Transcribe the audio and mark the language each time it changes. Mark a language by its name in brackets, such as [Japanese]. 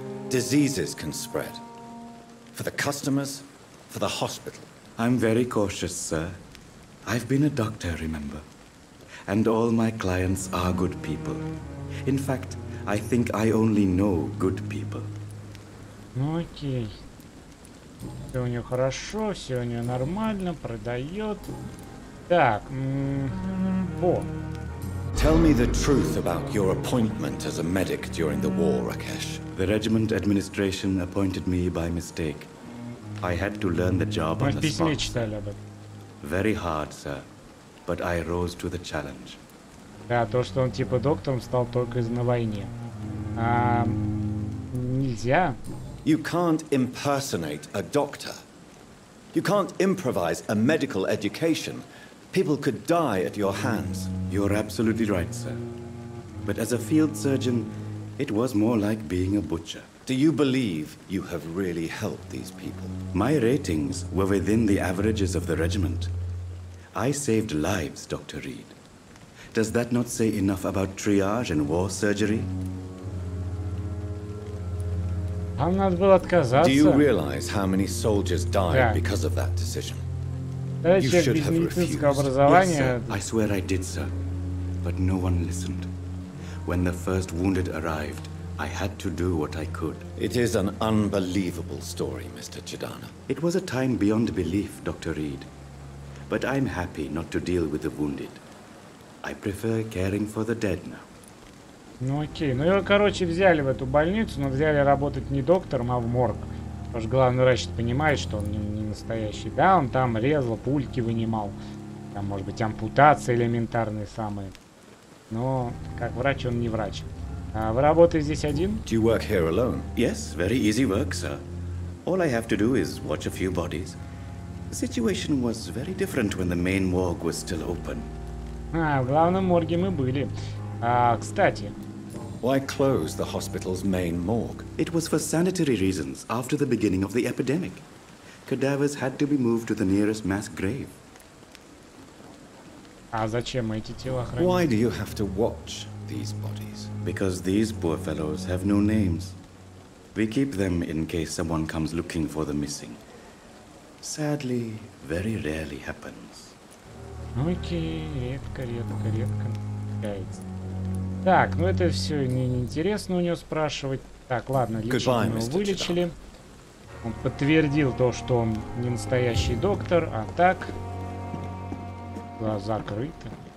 [English] Diseases can spread. For the customers, for the hospital. I'm very cautious, sir. I've been a doctor, remember? And all my clients are good people. In fact, I think I only know good people. [Russian] Окей. Все у нее хорошо, все у нее нормально, продает. Так, о. [English] Tell me the truth about your appointment as a medic during the war, Rakesh. The regiment administration appointed me by mistake. I had to learn the job on the spot. [Russian] Мы в письме читали об этом. [English] Very hard, sir. But I rose to the challenge. [Russian] Да, то, что он типа доктором стал только на войне. Нельзя. [English] You can't impersonate a doctor. You can't improvise a medical education. People could die at your hands. You're absolutely right, sir. But as a field surgeon, it was more like being a butcher. Do you believe you have really helped these people? My ratings were within the averages of the regiment. I saved lives, Dr. Reed. Does that not say enough about triage and war surgery? [Russian] Нам надо было отказаться. [English] Do you realize how many soldiers died because of that decision? [Russian] Да, [English] you should have refused. Yes, sir. I swear I did, sir. But no one listened. When the first wounded arrived, I had to do what I could. It is an unbelievable story, Mr. Chidana. It was a time beyond belief, Dr. Reed. But I'm happy not to deal with the wounded. I prefer caring for the dead now. [Russian] Ну окей. Ну его, короче, взяли в эту больницу, но взяли работать не доктором, а в морг. Потому что главный врач понимает, что он не настоящий. Да, он там резал, пульки вынимал. Там, может быть, ампутации элементарные самые. Но как врач он не врач. А вы работаете здесь один? [English] Do you work here alone? Yes, very easy work, sir. All I have to do is watch a few bodies. The situation was very different when the main morgue was still open. [Russian] А, в главном морге мы были. А, кстати. [English] Why close the hospital's main morgue? It was for sanitary reasons after the beginning of the epidemic. Cadavers had to be moved to the nearest mass grave. [Russian] А зачем эти тела хранить? [English] Why do you have to watch these bodies? Because these poor fellows have no names. We keep them in case someone comes looking for the missing. Sadly, very rarely happens. [Russian] Окей, редко появляется. Так, ну это все неинтересно у него спрашивать. Так, ладно, лечили, мы его вылечили. Он подтвердил то, что он не настоящий доктор, а так... Глаза закрыты.